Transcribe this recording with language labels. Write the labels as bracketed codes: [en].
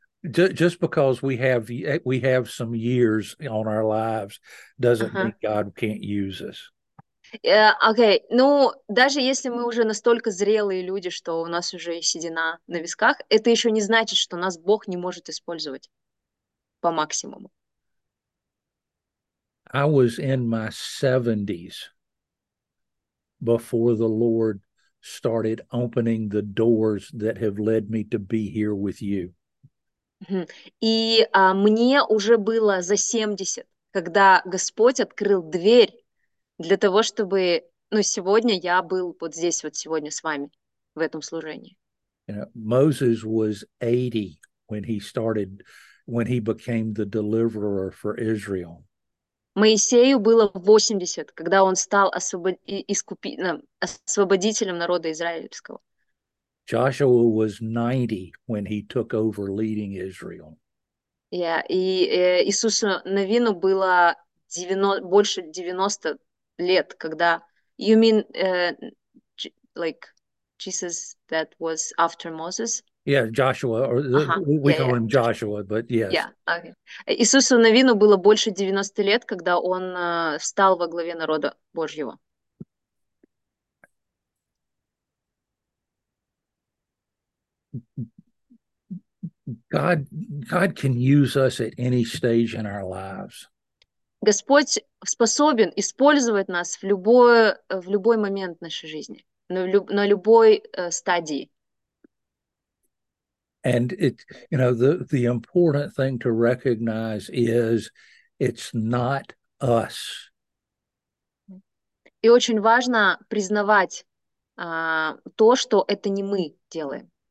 [en] just because we have some years on our lives doesn't mean God can't use us. Okay. [ru] Ну, даже если мы уже настолько зрелые люди, что у нас уже седина на висках, это еще не значит, что нас Бог не может использовать. по максимуму. [en] I was in my 70s before the Lord started opening the doors that have led me to be here with you. [ru] И мне уже было за 70, когда Господь открыл дверь для того, чтобы, ну, сегодня я был вот здесь вот сегодня с вами в этом служении. [en] You know, Moses was 80 when he became the deliverer for Israel. [ru] Моисею было 80, когда он стал освободителем народа израильского. [en] Joshua was 90 when he took over leading Israel. [ru] Yeah, и Иисусу Навину было 90, больше 90 лет, когда... [en] You mean like Jesus that was after Moses? Yeah, Joshua, or uh-huh. we yeah, call yeah. him Joshua, but yes. Yeah, okay. [ru] Иисусу Навину было больше 90 лет, когда он стал во главе народа Божьего. [en] God can use us at any stage in our lives. [ru] Господь способен использовать нас в любой момент нашей жизни, на любой стадии. [en] And it, you know, the important thing to recognize is it's not us. [ru] И очень важно признавать то, что это не мы делаем.